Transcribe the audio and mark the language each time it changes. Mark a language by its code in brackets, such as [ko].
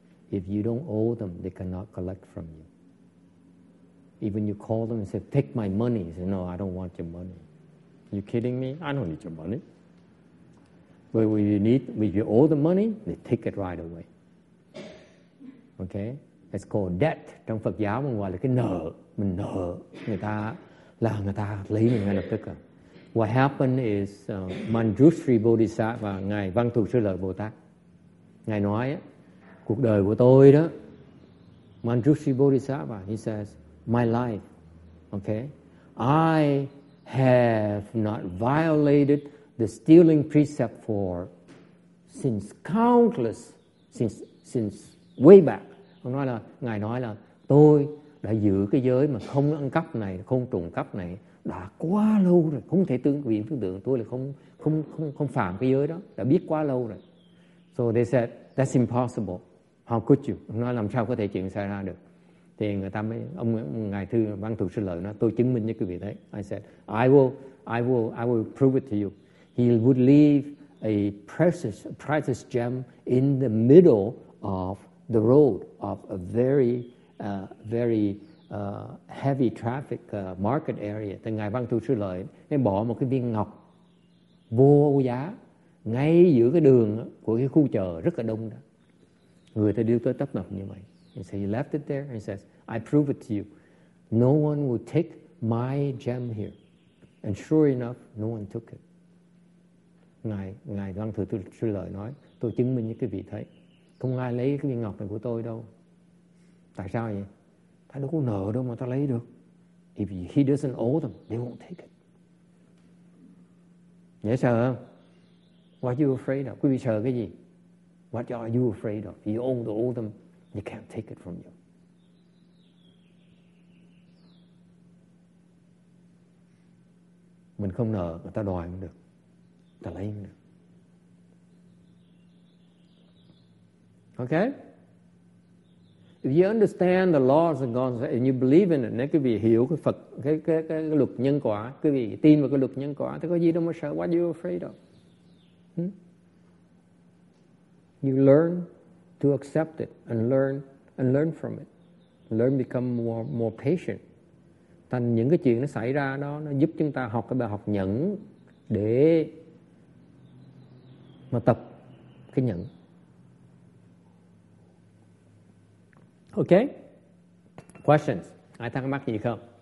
[en] If you don't owe them, they cannot collect from you. Even you call them and say, take my money. He said, no, I don't want your money. You kidding me? I don't need your money. But if you owe the money, they take it right away. Okay? It's called debt. [vi] Trong Phật giáo mình gọi là cái nợ. Mình nợ người ta là người ta lấy mình ngay lập tức. [en] What happened is Manjushri Bodhisattva, Ngài Văn Thù Sư Lợi Bồ Tát. [vi] Ngài nói, cuộc đời của tôi đó, Manjushri Bodhisattva, [en] he says, my life, okay? I have not violated the stealing precept for since way back. [vi] Ông nói là, Ngài nói là, tôi đã giữ cái giới mà không ăn cắp này, không trộm cắp này, đã quá lâu rồi, không thể tưởng tượng tôi là không phạm cái giới đó, đã biết quá lâu rồi. [en] So they said, that's impossible. How could you? [vi] Ông nói làm sao có thể chuyện xảy ra được. thì người ta mới ông ngài thư văn thù sư lợi nói tôi chứng minh cho quý vị thấy. [en] I said I will prove it to you. He would leave a precious gem in the middle of the road of a very heavy traffic market area. [vi] Thì ngài văn thù sư lợi mới bỏ một cái viên ngọc vô giá ngay giữa cái đường của cái khu chợ rất là đông đó. Người ta đưa tới tấp nập như vậy. [en] He said, he left it there and he says, I prove it to you. No one will take my gem here. And sure enough, no one took it. [vi] Ngài Văn Thù Sư Lợi nói, tôi chứng minh như quý vị thấy. Không ai lấy cái viên ngọc này của tôi đâu. Tại sao vậy? Ta đâu có nợ đâu mà ta lấy được. [en] If he doesn't owe them, they won't take it. [vi] Dễ sợ không? [en] What are you afraid of? [vi] Quý vị sợ cái gì? [en] What are you afraid of? You own the old them. They can't take it from you. [vi] Mình không nợ, người ta đòi cũng được. Người ta lấy cũng được. [en] Okay? If you understand the laws of God and you believe in it, [vi] nếu quý vị hiểu cái Phật, cái luật nhân quả, quý vị tin vào cái luật nhân quả, thì có gì đâu mà sợ. [en] What are you afraid of? You learn to accept it and learn from it. Learn become more patient. [vi] Thành những cái chuyện nó xảy ra đó, nó giúp chúng ta học cái bài học nhẫn để mà tập cái nhẫn. [en] Okay? Questions? [vi] Ai thắc mắc gì không?